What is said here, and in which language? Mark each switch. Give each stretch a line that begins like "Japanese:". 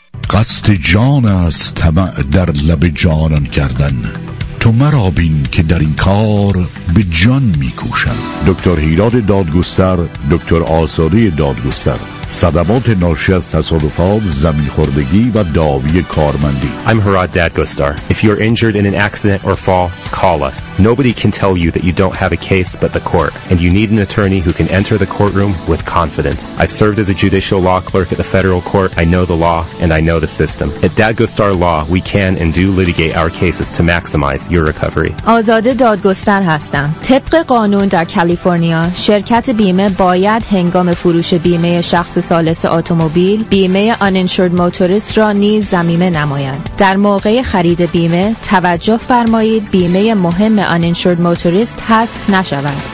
Persian: قصد جان از طمع در لب جانان کردن، تو مرا بین که در این کار به جان می کوشم. دکتر هیراد دادگستر، دکتر آزاده دادگستر. صدمات ناشی از تصادفات، زمین خوردگی و دعاوی کارمندی.
English: I'm Hirad Dadgostar. If you're injured in an accident or fall, call us. Nobody can tell you that you don't have a case but the court, and you need an attorney who can enter the courtroom with confidence. I've served as a judicial law clerk at the federal court. I know the law and I know the system. At Dadgostar Law, we can and do litigate our cases to maximize your recovery.
Persian: آزاده دادگستر هستم. طبق قانون در کالیفرنیا، شرکت بیمه باید هنگام فروش بیمه شخص سالس اتومبیل، بیمه uninsured motorist را نیز ضمیمه نمایند. در موقع خرید بیمه توجه فرمایید بیمه مهم uninsured motorist حذف نشود.